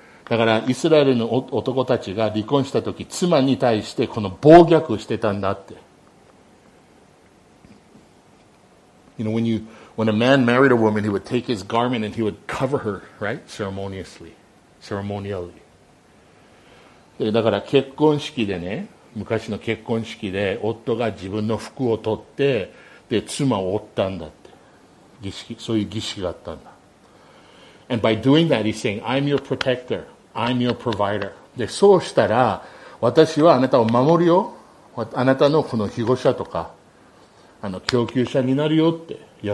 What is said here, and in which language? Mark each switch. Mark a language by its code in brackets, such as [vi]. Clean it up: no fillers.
[ja] だからイスラエルの男たちが離婚したとき、妻に対してこの暴虐をしてたんだって。 [en] You know, When a man married a woman, he would take his garment and he would cover her, right? Ceremonially. [ja] だから結婚式でね、昔の結婚式で夫が自分の服を取って、で、妻を覆ったんだって。儀式、そういう儀式があったんだ。 [en] And by doing that, he's saying, I'm your protector. I'm your provider. [ja] で、そうしたら、私はあなたを守るよ。あなたのこの庇護者とか、供給者になるよって。